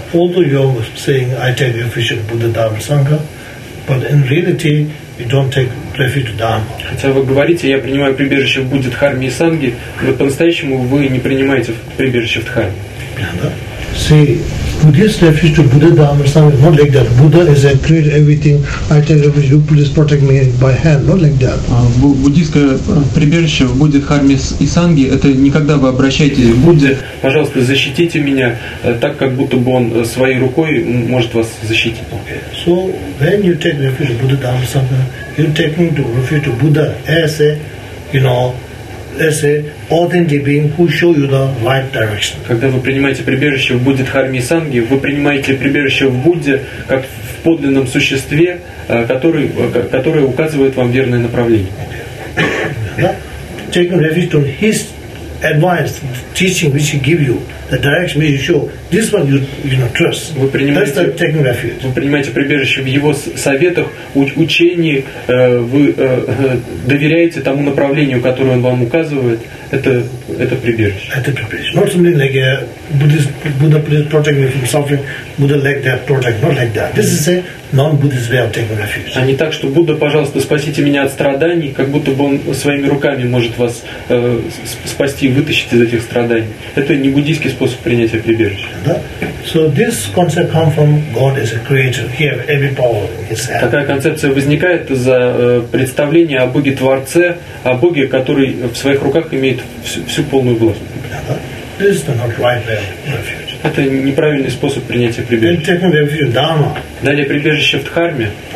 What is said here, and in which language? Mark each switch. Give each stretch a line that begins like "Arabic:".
English: Although you are saying I take refuge in Buddha, Dharma, Sangha, but in reality you don't take refuge to Dharma.
Russian: Хотя вы говорите, я принимаю прибежище в Будде, Дхарме и Сангхе, но по-настоящему вы не принимаете прибежище в Дхарме.
English: Yeah, see, Buddhist refuge to Buddha Dharma Sangha, not like that. Buddha is a great everything. I take refuge, you please protect me by hand, not like that.
Russian: Буддийское прибежище в Будде, Харме и Санге, это никогда вы обращаетесь к Будде. Пожалуйста, защитите меня так, как будто бы он своей рукой может вас защитить.
English: Okay. So when you take refuge to Buddha Dharma Sangha, you take me to refuge to Buddha as a, you know, as a authentic being who show you the right direction.
Russian: Когда вы принимаете прибежище в Будде, Дхарме и Санге, вы принимаете прибежище в Будде как в подлинном существе, которое указывает вам верное направление.
English: Taking refuge to his advice, teaching which he give you, the direction which he show, this one you trust.
Russian: Вы принимаете,
English: that's the taking refuge.
Russian: Вы принимаете прибежище в его советах, учении, вы доверяете тому направлению, которое он вам указывает, это прибежище. Это прибежище.
English: Not something like a Buddha please protect me from suffering, Buddha like that protect, not like that. This is a non-Buddhist way of taking refuge.
Russian: А не так, что Будда, пожалуйста, спасите меня от страданий, как будто бы он своими руками может вас спасти, вытащить из этих страданий. Это не буддийский способ принятия прибежища. Да?
English: So this concept comes from God as a creator. He has every power.
Russian: Такая концепция возникает из-за представления о Боге-творце, о Боге, который в своих руках имеет всю полную власть.
English: This is not right way of refuge.
Russian: Это неправильный способ принятия прибежища. Далее прибежище в Дхарме.